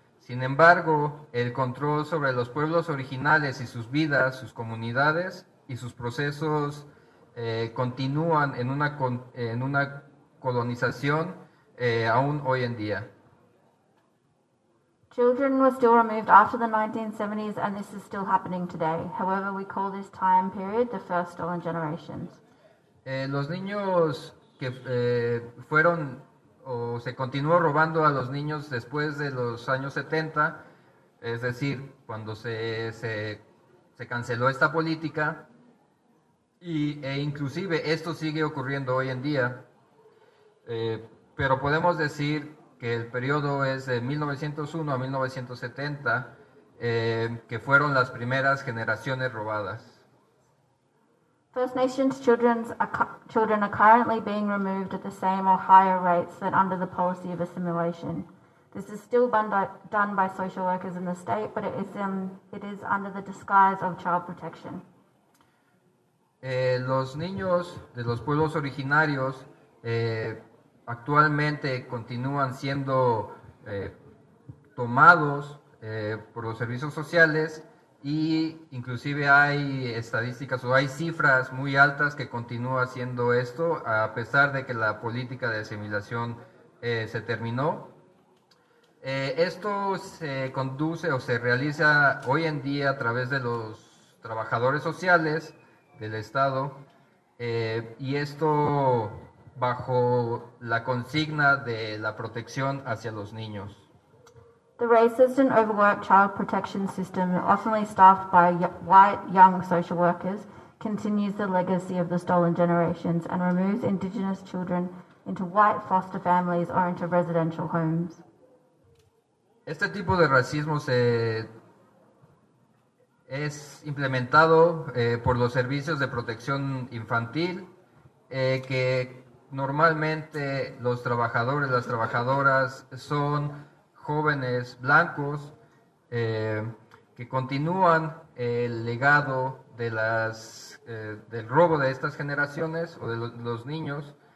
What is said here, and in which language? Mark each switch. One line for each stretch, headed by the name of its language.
Spanish: Sin embargo, el control sobre los pueblos originales y sus vidas, sus comunidades y sus procesos continúan en una colonización aún hoy en día.
English: Children were still removed after the 1970s, and this is still happening today. However, we call this time period the first stolen generations.
Spanish: Los niños que fueron o se continuó robando a los niños después de los años 70, es decir, cuando se canceló esta política, e inclusive esto sigue ocurriendo hoy en día, pero podemos decir que el periodo es de 1901 a 1970, que fueron las primeras generaciones robadas.
English: First Nations children are currently being removed at the same or higher rates than under the policy of assimilation. This is still done by social workers in the state, but it is under the disguise of child protection.
Spanish: Los niños de los pueblos originarios actualmente continúan siendo tomados por los servicios sociales. Y inclusive hay estadísticas o hay cifras muy altas que continúa haciendo esto a pesar de que la política de asimilación se terminó. Esto se conduce o se realiza hoy en día a través de los trabajadores sociales del Estado y esto bajo la consigna de la protección hacia los niños.
English: The racist and overworked child protection system, oftenly staffed by white young social workers, continues the legacy of the stolen generations and removes indigenous children into white foster families or into residential homes.
Spanish: Este tipo de racismo es implementado por los servicios de protección infantil que normalmente los trabajadores, las trabajadoras son jóvenes blancos que continúan el legado de del robo de estas generaciones o de los niños.